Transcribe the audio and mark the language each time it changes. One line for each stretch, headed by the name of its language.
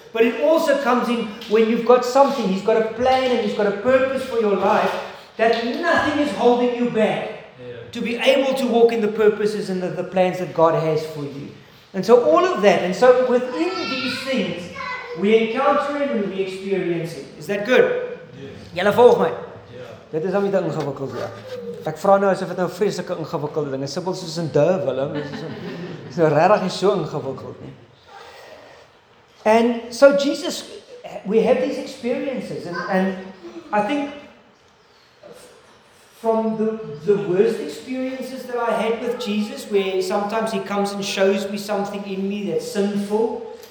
English: But it also comes in when you've got something. He's got a plan and He's got a purpose for your life, that nothing is holding you back. To be able to walk in the purposes and the plans that God has for you. And so all of that, and so within these things, we encounter it and we experience it. Is that good? Yes.
Afrikaans: Julle volg my? Ja. Dit is om die ingewikkeld, ja. Ek vra nou asof dit nou vreselike ingewikkelde ding is. Simpel soos in duh, Willem. Is nou regtig nie so ingewikkeld nie.
English: And so Jesus, we have these experiences, and I think from the worst experiences that I had with Jesus, where sometimes He comes and shows me something in me that's sinful.